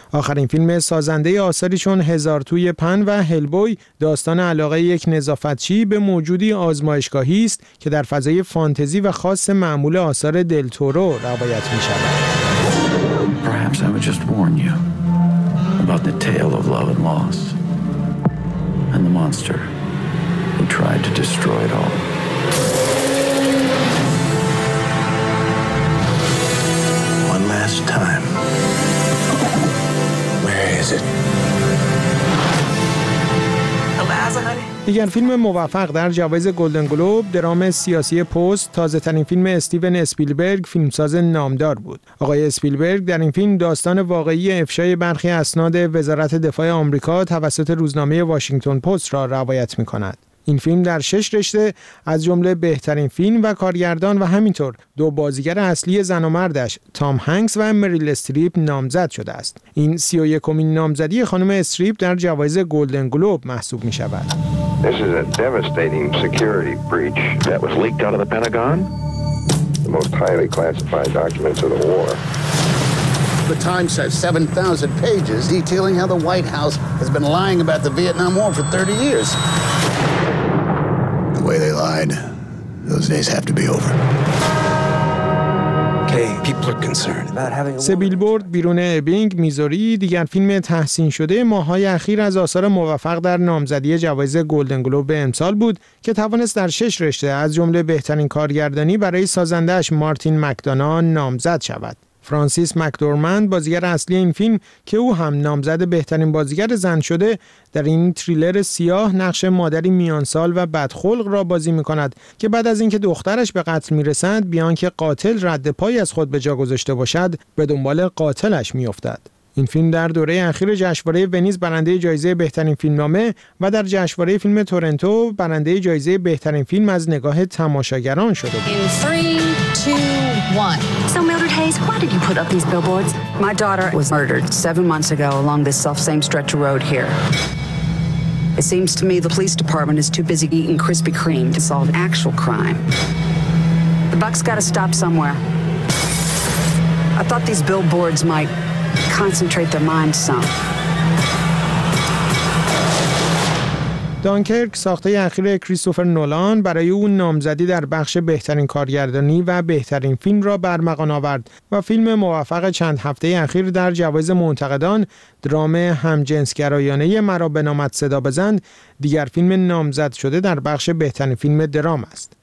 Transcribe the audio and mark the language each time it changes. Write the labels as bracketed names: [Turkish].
[Persian] آخرین فیلم سازنده آثاری چون هزار توی پن و هلبوی داستان علاقه یک نظافتچی به موجودی آزمایشگاهی است که در فضای فانتزی و خاص معمول آثار دل تورو روایت می شود. [English] About the tale of love and loss and the monster who tried to destroy it all. One last time. Where is it? Eliza, honey. [Persian] دیگر فیلم موفق در جوایز گلدن گلوب، درام سیاسی پست، تازه‌ترین فیلم استیون اسپیلبرگ فیلمساز نامدار بود. آقای اسپیلبرگ در این فیلم داستان واقعی افشای برخی اسناد وزارت دفاع آمریکا توسط روزنامه واشنگتن پست را روایت می‌کند. این فیلم در 6 رشته از جمله بهترین فیلم و کارگردان و همینطور دو بازیگر اصلی زن و مردش تام هنگس و مریل استریپ نامزد شده است. این 31مین نامزدی خانم استریپ در جوایز گلدن گلوب محسوب می شود. [English] This is a devastating security breach that was leaked out of the Pentagon. The most highly classified documents of the war. The Times says 7,000 pages detailing how the White House has been lying about the Vietnam War for 30 years. The way they lied, those days have to be over. [Persian] سبیلبورد بیرون ابینگ میزوری دیگر فیلم تحسین شده ماهای اخیر از آثار موفق در نامزدی جوایز گلدن گلوب امسال بود که توانست در 6 رشته از جمله بهترین کارگردانی برای سازندهش مارتین مکدونان نامزد شود. فرانسیس مکدورمند بازیگر اصلی این فیلم که او هم نامزد بهترین بازیگر زن شده در این تریلر سیاه نقش مادری میانسال و بدخلق را بازی می‌کند که بعد از اینکه دخترش به قتل می‌رسد بیان که قاتل رد پای از خود به جا گذاشته باشد به دنبال قاتلش می‌افتد. این فیلم در دوره اخیر جشنواره ونیز برنده جایزه بهترین فیلمنامه و در جشنواره فیلم تورنتو برنده جایزه بهترین فیلم از نگاه تماشاگران شده بود. [English] So Mildred Hayes, why did you put up these billboards? My daughter was murdered 7 months ago along this self-same stretch of road here. It seems to me the police department is too busy eating Krispy Kreme to solve actual crime. The buck's got to stop somewhere. I thought these billboards might concentrate their minds some. [Persian] دانکرک ساخته اخیر کریستوفر نولان برای او نامزدی در بخش بهترین کارگردانی و بهترین فیلم را برمغان آورد و فیلم موفق چند هفته اخیر در جوایز منتقدان درام همجنسگرایانه مرا به نامت صدا بزند دیگر فیلم نامزد شده در بخش بهترین فیلم درام است.